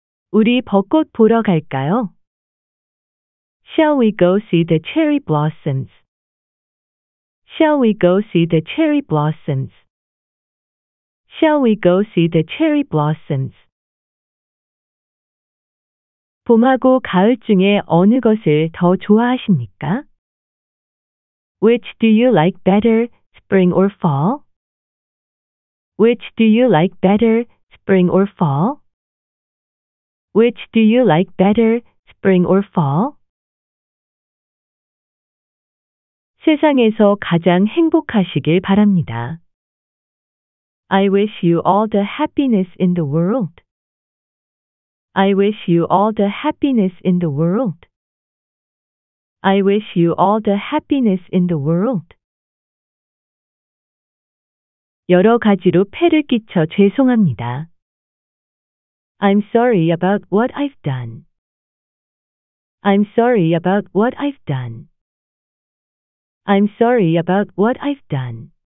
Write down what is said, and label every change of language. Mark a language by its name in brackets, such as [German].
[Korean] 우리 벚꽃 보러 갈까요? [English] Shall we go see the cherry blossoms? Shall we go see the cherry blossoms? Shall we go see the cherry blossoms? [Korean] 봄하고 가을 중에 어느 것을 더 좋아하십니까? [English] Which do you like better, spring or fall? Which do you like better, spring or fall? Which do you like better, spring or fall? [Korean] 세상에서 가장 행복하시길 바랍니다. [English] I wish you all the happiness in the world. I wish you all the happiness in the world. I wish you all the happiness in the world. [Korean] 여러 가지로 폐를 끼쳐 죄송합니다. [English] I'm sorry about what I've done. I'm sorry about what I've done. I'm sorry about what I've done.